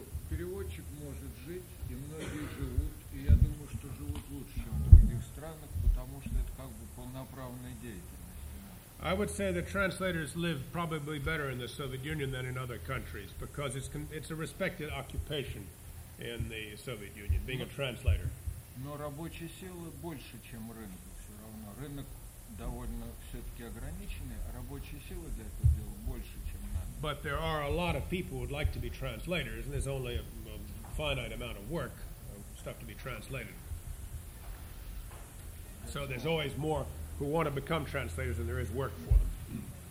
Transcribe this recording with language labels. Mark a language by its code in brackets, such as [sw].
[ru] Переводчик может жить, и многие живут, и я думаю, что живут лучше, чем в других странах, потому что это как бы полноправная деятельность. [en] I would say that translators live probably better in the Soviet Union than in other countries, because it's a respected occupation in the Soviet Union, being a translator. [ru] Но рабочая сила больше, чем рынок, все равно. Рынок довольно все-таки ограниченный, а рабочая сила для этого дела больше, чем. [en] But there are a lot of people who would like to be translators, and there's only a finite amount of work, stuff to be translated. So there's always more who want to become translators than there is work for them.